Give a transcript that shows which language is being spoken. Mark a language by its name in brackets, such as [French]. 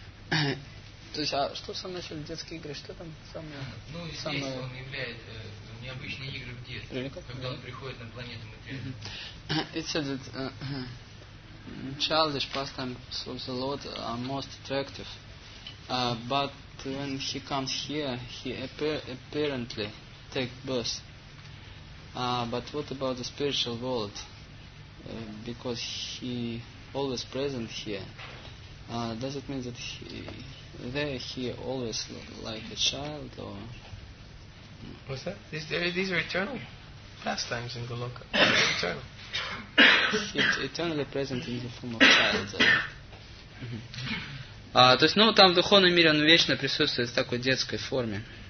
[Russian] То есть, а что в самом начале детские игры? Что там самое? Ну, здесь самое... он является необычные игры в детстве, когда он приходит на планету материальную. [English] It said that childish pastimes of the Lord are most attractive, but when he comes here, he apparently takes birth. But what about the spiritual world? Because he always present here. Does it mean that he always like a child, or what's that? These are eternal pastimes in Goloka. Eternal. He's eternally present in the form of child. [Russian] То есть, ну, там в духовном мире он вечно присутствует в такой детской форме.